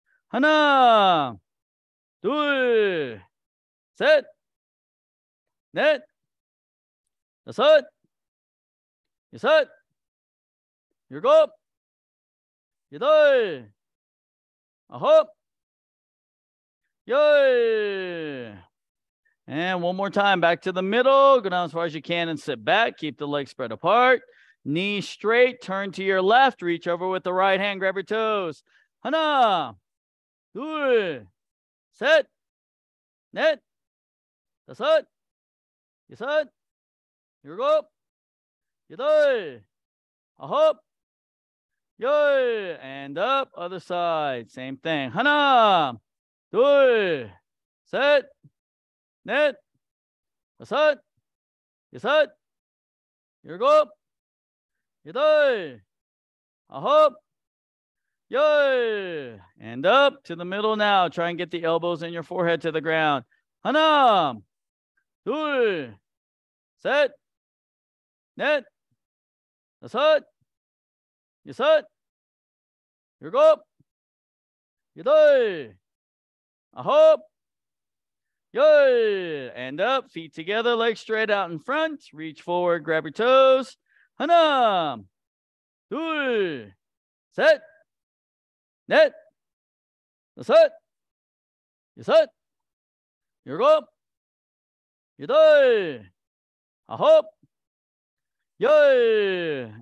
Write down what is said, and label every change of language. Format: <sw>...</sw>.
<ko>하나, 둘, 셋, 넷, 다섯, 여섯, 일곱, 여덟, 아홉, 열.</ko> <en>And one more time, back to the middle. Go down as far as you can and sit back. Keep the legs spread apart. Knees straight, turn to your left. Reach over with the right hand, grab your toes.</en> <ko>하나, 둘, 셋, 넷, 다섯, 여섯, 일곱, 여덟, 아홉, 열.</ko> <en>And up, other side, same thing.</en> <ko>하나, 둘, 셋, 넷, 다섯, 여섯, 일곱, 여덟, 아홉, 열.</ko> <en>And up to the middle now. Try and get the elbows and your forehead to the ground.</en> <ko>하나, 둘, 셋, 넷, 다섯, 여섯, 일곱, 여덟, 아홉, 열.</ko> <en>And up, feet together, legs straight out in front. Reach forward, grab your toes.</en> <ko>하나, 둘, 셋, 넷, 다섯, 여섯, 일곱, 여덟, 아홉, 열.</ko>